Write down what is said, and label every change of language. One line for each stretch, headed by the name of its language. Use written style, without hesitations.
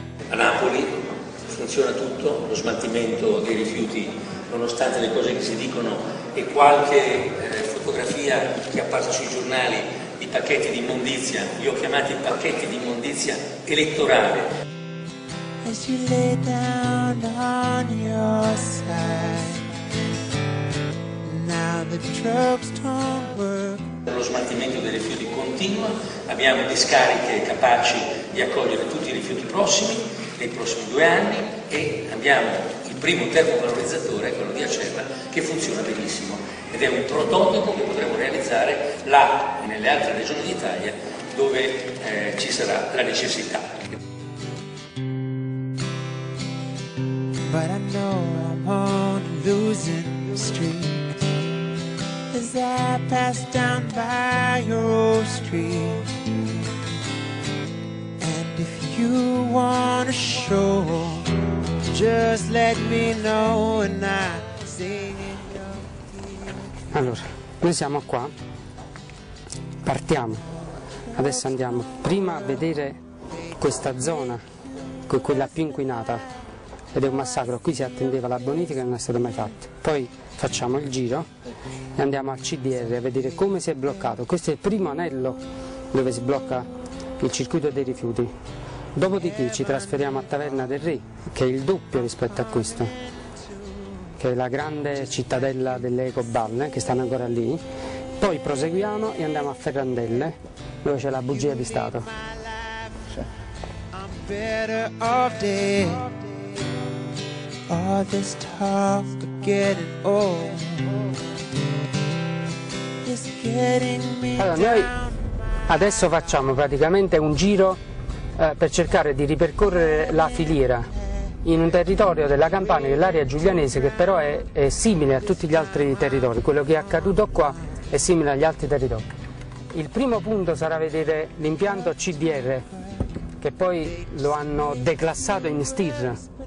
Italian: A Napoli funziona tutto, lo smaltimento dei rifiuti, nonostante le cose che si dicono e qualche fotografia che è apparsa sui giornali, i pacchetti di immondizia, li ho chiamati pacchetti di immondizia elettorale.
English: As you lay down on your side, now the drugs don't work.
Italian: Lo smaltimento dei rifiuti continua, abbiamo discariche capaci di accogliere tutti i rifiuti prossimi, nei prossimi 2 anni, e abbiamo il primo termovalorizzatore, quello di Acerra, che funziona benissimo ed è un prototipo che potremo realizzare là e nelle altre regioni d'Italia dove ci sarà la necessità.
English: But I know I'm on a losing streak as I pass down by your old street. And if you want to show, just let me know and I sing in your ear.
Italian: Allora, noi siamo qua, partiamo. Adesso andiamo prima a vedere questa zona, quella più inquinata. Ed è un massacro, qui si attendeva la bonifica e non è stato mai fatto. Poi facciamo il giro e andiamo al CDR a vedere come si è bloccato. Questo è il primo anello dove si blocca il circuito dei rifiuti. Dopodiché ci trasferiamo a Taverna del Re, che è il doppio rispetto a questo, che è la grande cittadella delle ecoballe che stanno ancora lì. Poi proseguiamo e andiamo a Ferrandelle, dove c'è la bugia di Stato.
English: All this talk of getting old is getting me down.
Italian: Allora, noi adesso facciamo praticamente un giro per cercare di ripercorrere la filiera in un territorio della Campania, dell'area giulianese, che però è simile a tutti gli altri territori. Quello che è accaduto qua è simile agli altri territori. Il primo punto sarà vedere l'impianto CDR, che poi lo hanno declassato in STIR.